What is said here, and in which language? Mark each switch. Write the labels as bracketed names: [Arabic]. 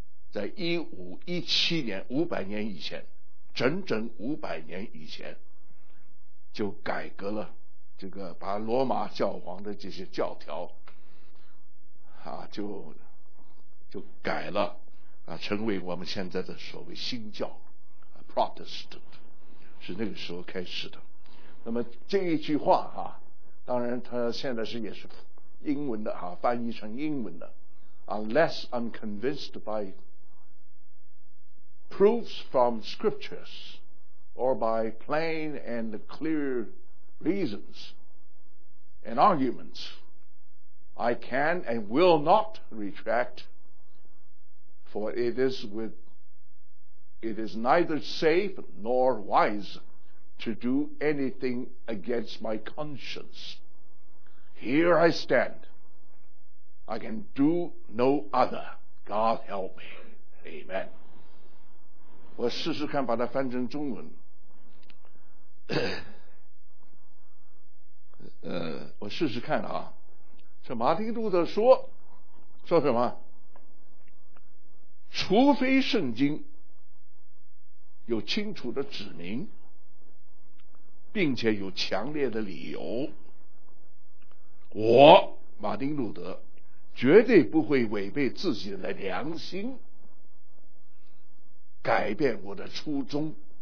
[Chinese] 在1517年500年以前，整整500年以前就改革了，这个把罗马教皇的这些教条啊，就改了啊，成为我们现在的所谓新教 Protestant， 是那个时候开始的。那么这一句话啊，当然他现在是也是英文的啊，翻译成英文的 [English] ，unless I'm convinced by proofs from scriptures or by plain and clear reasons and arguments, I can and will not retract. For it is neither safe nor wise to do anything against my conscience. Here I stand. I can do no other. God help me. Amen. [Chinese] 我试试看把它翻成中文。我试试看啊，这马丁路德说什么？除非圣经有清楚的指明，并且有强烈的理由，我马丁路德绝对不会违背自己的良心，改变我的初衷。